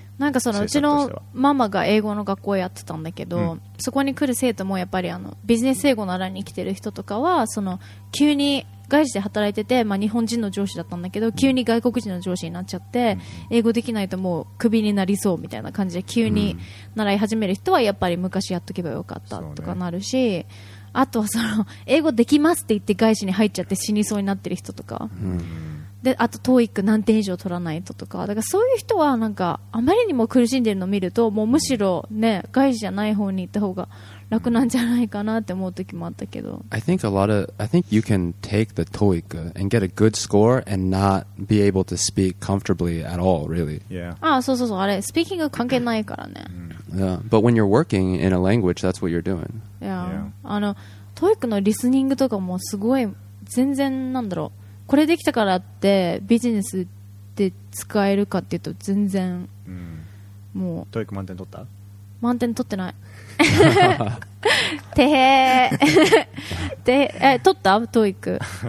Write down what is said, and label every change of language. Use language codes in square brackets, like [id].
[ja] なんかそのうちのママが英語の学校やってたんだけど、うん、そこに来る生徒もやっぱりあのビジネス英語の欄に来てる人とかはその急に外資で働いてて、まあ、日本人の上司だったんだけど急に外国人の上司になっちゃって、うん、英語できないともうクビになりそうみたいな感じで急に習い始める人はやっぱり昔やっとけばよかったとかなるし、ね、あとはその英語できますって言って外資に入っちゃって死にそうになってる人とか、うん、であと TOEIC 何点以上取らないととか、だからそういう人はなんかあまりにも苦しんでるのを見るともうむしろ、ね、外資じゃない方に行った方が楽なんじゃないかなって思う時もあったけど。 [en] I think a lot of, I think you can take the TOEIC and get a good score and not be able to speak comfortably at all, really. Yeah. [ja] ああ、そうそうそう、あれ、スピーキング関係ないからね。 [en] Yeah. But when you're working in a language, that's what you're doing. Yeah. [ja] あの、TOEIC のリスニングとかもすごい、全然なんだろう。これできたからってビジネスで使えるかっていうと全然、もう。 TOEIC 満点取った？満点取ってない。てへーてへー取った TOEIC